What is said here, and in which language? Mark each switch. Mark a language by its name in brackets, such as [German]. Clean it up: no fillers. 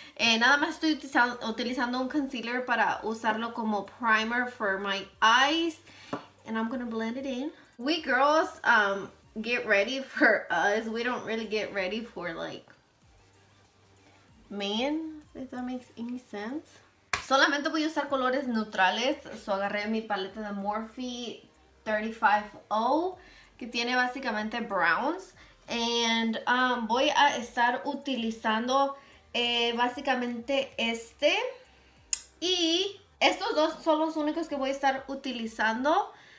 [Spanish] Nada más estoy utilizando un concealer para usarlo como primer [English] for my eyes. And I'm gonna blend it in. We girls get ready for us. We don't really get ready for like men. If that makes any sense. [Spanish] Solamente voy a usar colores neutrales. So agarré mi paleta de Morphe 35O, que tiene básicamente browns. And voy a estar utilizando básicamente este. Y estos dos son los únicos que voy a estar utilizando.